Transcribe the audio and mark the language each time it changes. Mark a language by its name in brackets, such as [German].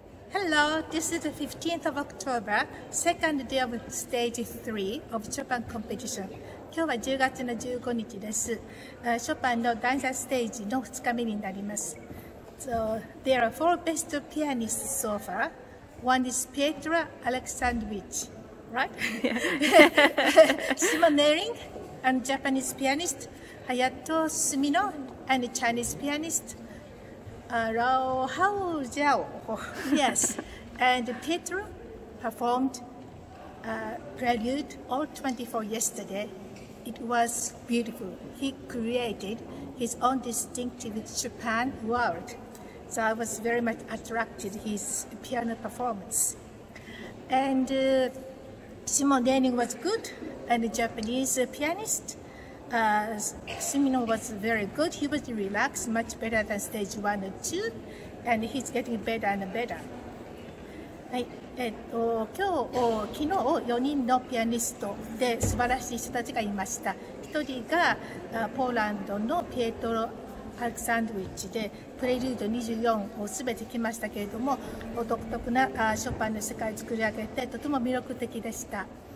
[English] Hello, this is the 15th of October, second day of stage 3 of Chopin competition. [Japanese] 今日は10月の15日です。ショパンの第3ステージの2日目になります。 [English] So, there are four best pianists so far. One is Petra Alexandrovich, right? Simon Nering, a Japanese pianist. Hayato Sumino, a Chinese pianist. Rao Hao Zhao, yes, and Pietro performed Prelude All 24 yesterday. It was beautiful. He created his own distinctive Chopin world. So I was very much attracted to his piano performance. And Simon Nering was good, and a Japanese pianist. Sumino was very good. He was relaxed, much better than stage 1 and 2, and he's getting better and better. [Japanese] はい、昨日4人のピアニストで素晴らしい人たちがいました。 1人がポーランドのピエトロ・アレクサンドウィッチでプレリュード24を全て来ましたけれども、独特なショパンの世界を作り上げてとても魅力的でした。